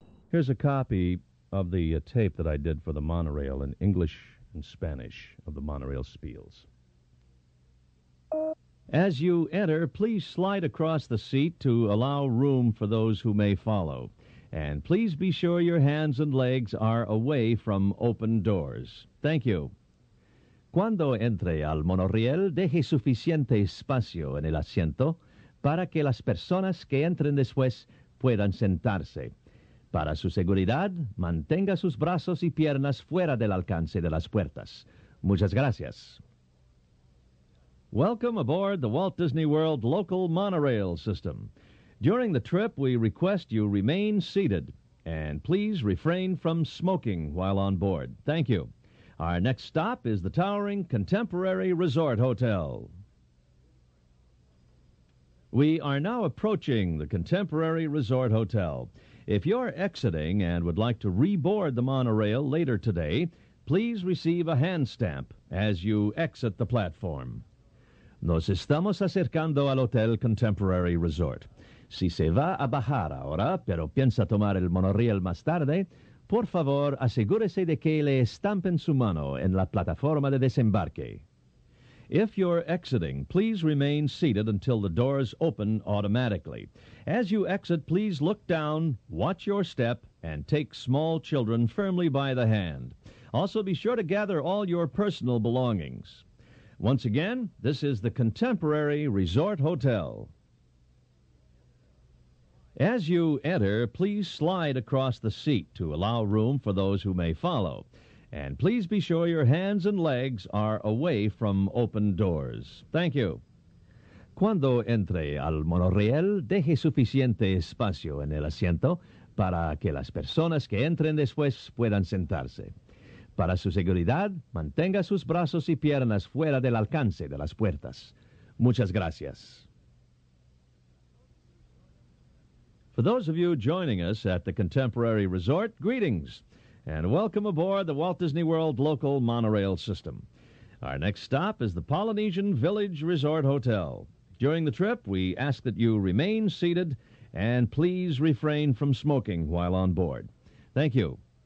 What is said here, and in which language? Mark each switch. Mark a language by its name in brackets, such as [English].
[English] Here's a copy of the tape that I did for the monorail in English and Spanish of the monorail spiels. As you enter, please slide across the seat to allow room for those who may follow. And please be sure your hands and legs are away from open doors. Thank you. [Spanish] Cuando entre al monorriel, deje suficiente espacio en el asiento para que las personas que entren después puedan sentarse. Para su seguridad, mantenga sus brazos y piernas fuera del alcance de las puertas. Muchas gracias. [English] Welcome aboard the Walt Disney World local monorail system. During the trip, we request you remain seated, and please refrain from smoking while on board. Thank you. Our next stop is the towering Contemporary Resort Hotel. We are now approaching the Contemporary Resort Hotel. If you're exiting and would like to reboard the monorail later today, please receive a hand stamp as you exit the platform. [Spanish] Nos estamos acercando al Hotel Contemporary Resort. Si se va a bajar ahora, pero piensa tomar el monorriel más tarde, por favor, asegúrese de que le estampen su mano en la plataforma de desembarque. [English] If you're exiting, please remain seated until the doors open automatically. As you exit, please look down, watch your step, and take small children firmly by the hand. Also, be sure to gather all your personal belongings. Once again, this is the Contemporary Resort Hotel. As you enter, please slide across the seat to allow room for those who may follow. And please be sure your hands and legs are away from open doors. Thank you. [Spanish] Cuando entre al monorriel, deje suficiente espacio en el asiento para que las personas que entren después puedan sentarse. Para su seguridad, mantenga sus brazos y piernas fuera del alcance de las puertas. Muchas gracias. [English] For those of you joining us at the Contemporary Resort, greetings, and welcome aboard the Walt Disney World local monorail system. Our next stop is the Polynesian Village Resort Hotel. During the trip, we ask that you remain seated and please refrain from smoking while on board. Thank you.